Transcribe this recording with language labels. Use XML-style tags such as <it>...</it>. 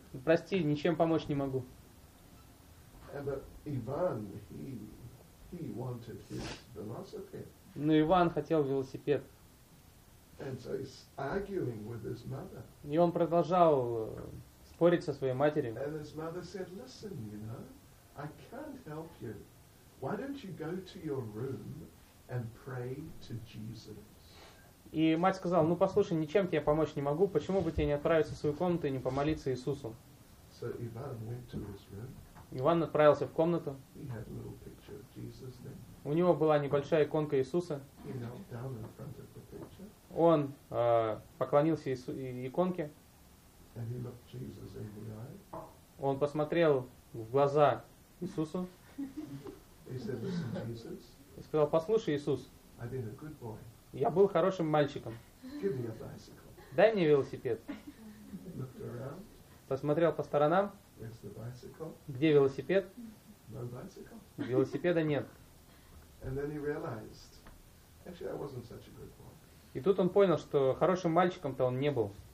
<ru>Прости, ничем помочь не могу.</ru> <en>But Ivan, he wanted his velocipede.</en> <ru>Но Иван хотел велосипед.</ru> <en>And so he's arguing with his mother.</en> <ru>И он продолжал спорить со своей матерью.</ru> <en>And his mother said, listen, you know, I can't help you. Why don't you go to your room and pray to Jesus?</en> <ru>И мать сказала, ну послушай, ничем тебе помочь не могу, почему бы тебе не отправиться в свою комнату и не помолиться Иисусу?</ru> <en>So Ivan went to his room.</en> <ru>Иван отправился в комнату.</ru> <en>He had a little picture of Jesus there.</en> <ru>У него была небольшая иконка Иисуса.</ru> <en>He knelt down in front of the picture.</en> <ru>Он поклонился иконке.</ru> <en>And he looked Jesus in the eye.</en> <ru>Он посмотрел в глаза Иисусу.</ru> <en>He said, listen, Jesus.</en> <ru>И сказал, послушай, Иисус,</ru> <en>I've been a good boy.</en> <ru>Я был хорошим мальчиком.</ru> <en>Give me a bicycle.</en> <ru>Дай мне велосипед.</ru> <en>Looked around.</en> <ru>Посмотрел по сторонам.</ru> <en>Where's the bicycle?</en> <ru>Где велосипед?</ru> <en>No bicycle.</en> <ru>Велосипеда нет.</ru> <en>And then he realized, actually, I wasn't such a good boy.</en> <ru>И тут он понял, что хорошим мальчиком-то он не был.</ru>